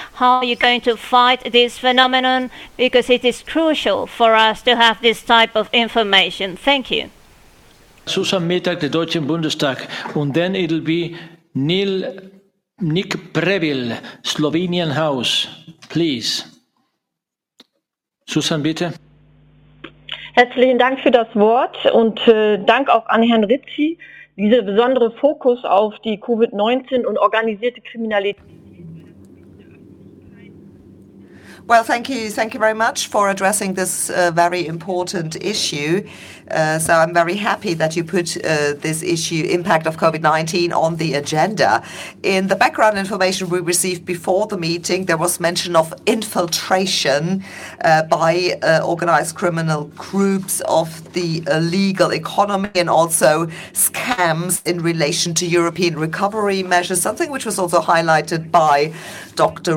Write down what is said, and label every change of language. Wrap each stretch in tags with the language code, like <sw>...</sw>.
<en>How are you going to fight this phenomenon? Because it is crucial for us to have this type of information. Thank you. Susan Mittag, the Deutsche Bundestag. And then it'll be Nick Preville, Slovenian House. Please. Susan,</en> <de>bitte. Herzlichen Dank für das Wort und Dank auch an Herrn Rizzi. Dieser besondere Fokus auf die COVID-19 und organisierte Kriminalität.</de> <en>Well, thank you very much for addressing this very important issue. So I'm very happy that you put this issue, impact of COVID-19, on the agenda. In the background information we received before the meeting, there was mention of infiltration by organized criminal groups of the illegal economy and also scams in relation to European recovery measures, something which was also highlighted by Dr.</en>